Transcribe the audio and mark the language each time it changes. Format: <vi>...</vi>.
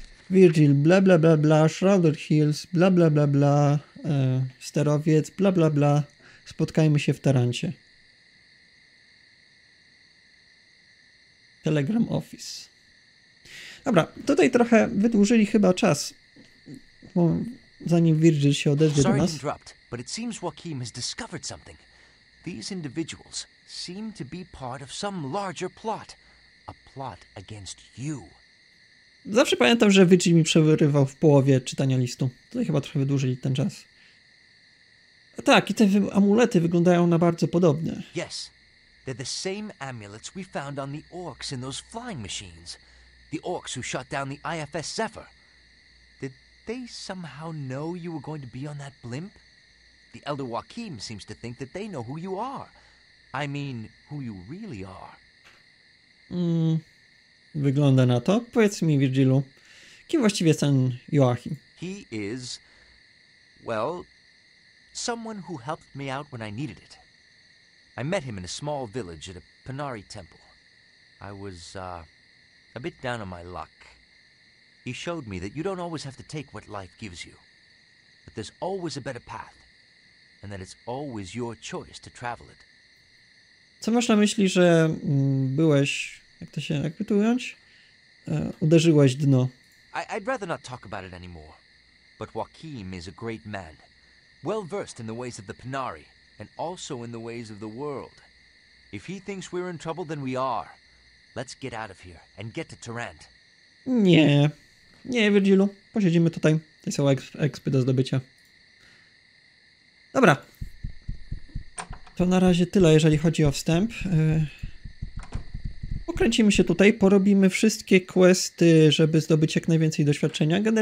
<pl>Virgil, bla, bla, bla, bla, Shrouded Hills, bla, bla, bla, bla, sterowiec, bla, bla, bla, spotkajmy się w Tarancie. Telegram Office. Dobra, tutaj trochę wydłużyli chyba czas, bo zanim Virgil się odezwie do nas.</pl> <en>Sorry to interrupt, but it seems Joaquim has discovered something. These individuals seem to be part of some larger plot. A plot against you.</en> <pl>Zawsze pamiętam, że Virgil mi przerywał w połowie czytania listu. Tutaj chyba trochę wydłużyli ten czas. A tak, i te amulety wyglądają na bardzo podobne.</pl> <en>Yes, they're the same amulets we found on the orcs in those flying machines. The orcs who shot down the IFS Zephyr. Did they somehow know you were going to be on that blimp? The Elder Joaquim seems to think that they know who you are. I mean, who you really are.</en> <pl>Wygląda na to. Powiedz mi, Virgilu, kim właściwie jest ten Joachim?</pl> <en>He is, well, someone who helped me out when I needed it. I met him in a small village at a Panari temple. I was, a bit down on my luck. He showed me that you don't always have to take what life gives you. But there's always a better path. And that it's always your choice to travel it.</en> <pl>Co masz na myśli, że byłeś, jak to się, jakby to ująć? Uderzyłeś dno.</pl> <en>I'd rather not talk about it anymore. But Joaquim is a great man. Well versed in the ways of the Panari. And also in the ways of the world. If he thinks we're in trouble, then we are. Let's get out of here and get to Tarant.</en> <pl>Nie. Nie, Virgilu. Posiedzimy tutaj. To jest cała ekspy do zdobycia. Dobra. To na razie tyle, jeżeli chodzi o wstęp. Pokręcimy się tutaj, porobimy wszystkie questy, żeby zdobyć jak najwięcej doświadczenia.</pl>